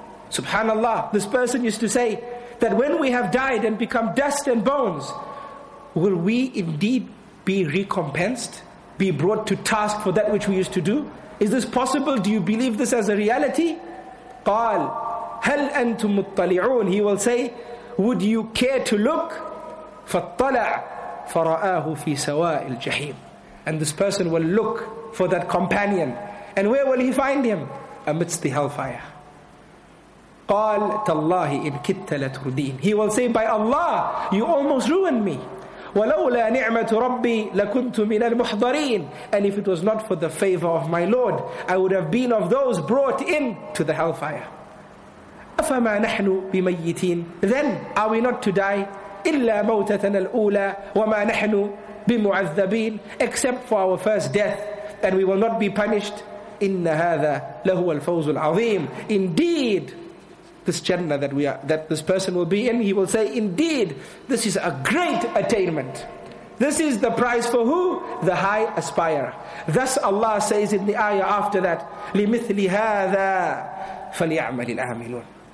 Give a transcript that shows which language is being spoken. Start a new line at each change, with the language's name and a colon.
English: Subhanallah, this person used to say, that when we have died and become dust and bones, will we indeed be recompensed, be brought to task for that which we used to do? Is this possible? Do you believe this as a reality?
Arabic: قال هل أنتم مطلعون.
English: He will say, would you care to look?
Arabic: فطلع فرآه في سواء الجحيم.
English: And this person will look for that companion. And where will he find him? Amidst the hellfire.
Arabic: قال تالله إن كدت لتردين.
English: He will say, by Allah, you almost ruined me.
Arabic: ولولا نعمة ربي لكنت من المحضرين.
English: And if it was not for the favor of my Lord, I would have been of those brought in to the hellfire.
Arabic: أفما نحن بميتين.
English: Then are we not to die?
Arabic: إلا موتتنا الأولى وما نحن بمعذبين.
English: Except for our first death, and we will not be punished.
Arabic: إن هذا لهو الفوز العظيم.
English: Indeed, this Jannah that we are, that this person will be in, he will say, indeed, this is a great attainment. This is the prize for who? The high aspirer. Thus Allah says in the ayah after that,
Arabic: لِمِثْلِ هَذَا فَلْيَعْمَلِ الْآمِلُونَ.